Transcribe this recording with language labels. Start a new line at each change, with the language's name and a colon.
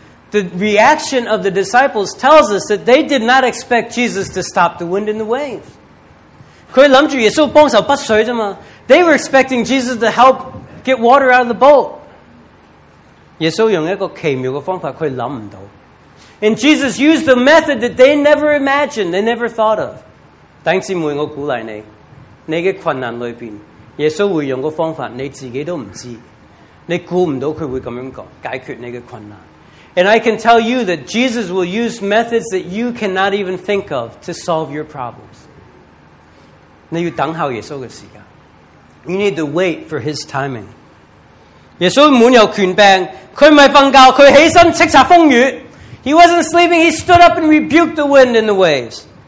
English: The reaction of the disciples tells us that they did not expect Jesus to stop the wind and the wave.
Chinese: 他们想着耶稣帮手不水而已。
English: They were expecting Jesus to help get water out of the boat.
Chinese: 耶稣用一个奇妙的方法，他想不到。
English: And Jesus used a method that they never imagined, they never thought of.
Chinese: 弟兄姊妹，我鼓励你， 你的困难里面，耶稣会用个方法你自己都不知道，你估不到他会这样解决你的困难。
English: And I can tell you that Jesus will use methods that you cannot even think of to solve your problems.
Chinese: 你要等候耶稣的时间。
English: You need to wait for His timing.
Chinese: 耶稣满有权柄，他不是睡觉，他起身叱咤风雨。
English: He wasn't sleeping, He stood up and rebuked the wind and the waves.